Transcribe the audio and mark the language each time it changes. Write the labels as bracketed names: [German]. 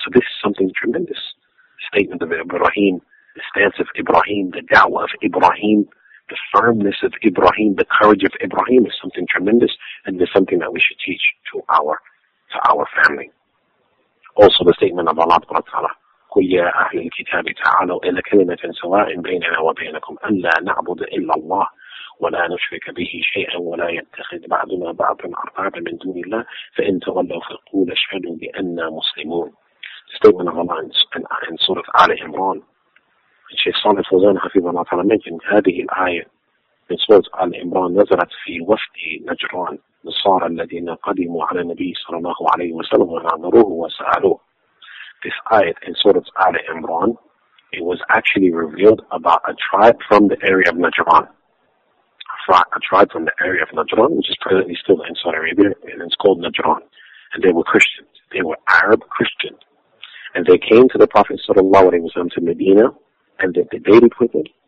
[English] So this is something tremendous. Statement of Ibrahim, the stance of Ibrahim, the da'wah of Ibrahim, the firmness of Ibrahim, the courage of Ibrahim is something tremendous, and is something that we should teach to our family. Also the statement of Allah subhanahu wa ta'ala, [Arabic] قُلْ يَا أَهْلِ الْكِتَابِ تَعَالَوْا إِلَى كَلِمَةٍ سَوَاءٍ بَيْنَنَا وَبَيْنَكُمْ أَلَّا نَعْبُدَ إِلَّا اللَّهَ وَلَا نُشْرِكَ بِهِ شَيْئًا وَلَا يَتَّخِذْ بَعْضُنَا بَعْضًا أَرْبَابًا مِنْ دُونِ اللَّهِ فَإِنْ تَوَلَّوْا فَقُولُوا اشْهَدُوا بِأَنَّا مُسْلِمُونَ. [English] The statement of Allah in Surah Ali Imran. Shaykh Salih Fawzan Hafizullah Ta'ala mentioned [Arabic] هذه الآية من سورة آل عمران نزلت في وفد نجران نصارى الذين قدموا على النبي صلى الله عليه وسلم وناظروه وسألوه. [English] This ayat in Surah Ali Imran, it was actually revealed about a tribe from the area of Najran. A tribe from the area of Najran, which is presently still in Saudi Arabia, and it's called Najran. And they were Christians. They were Arab Christians. And they came to the Prophet Sallallahu Alaihi Wasallam to Medina, and they debated with him.